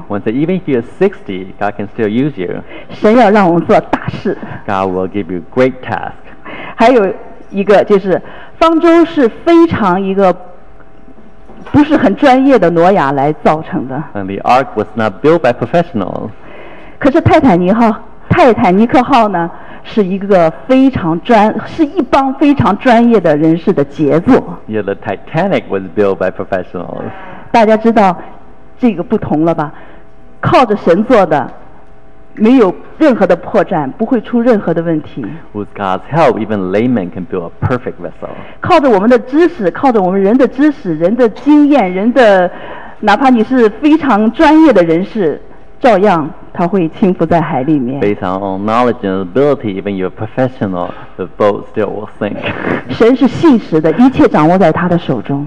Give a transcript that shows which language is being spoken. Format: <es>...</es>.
<en>Once even if you're 60, God can still use you.</en> <zh>神要让我们做大事。</zh> <en>God will give you great tasks.</en> <zh>还有一个就是，方舟是非常一个不是很专业的挪亚来造成的。</zh> <en>And the ark was not built by professionals.</en> <zh>可是泰坦尼克号呢，是一个非常专，是一帮非常专业的人士的杰作。</zh> <en>Yeah, the Titanic was built by professionals.</en> <zh>大家知道。这个不同了吧，靠着神做的，没有任何的破绽，不会出任何的问题。</zh> <en>With God's help, even laymen can build a perfect vessel.</en> <zh>靠着我们的知识，靠着我们人的知识，人的经验，人的，哪怕你是非常专业的人士，照样他会倾覆在海里面。</zh> <en>Based on knowledge and ability, even your professional, the boat still will sink.</en> <zh>神是信实的，一切掌握在他的手中。</zh>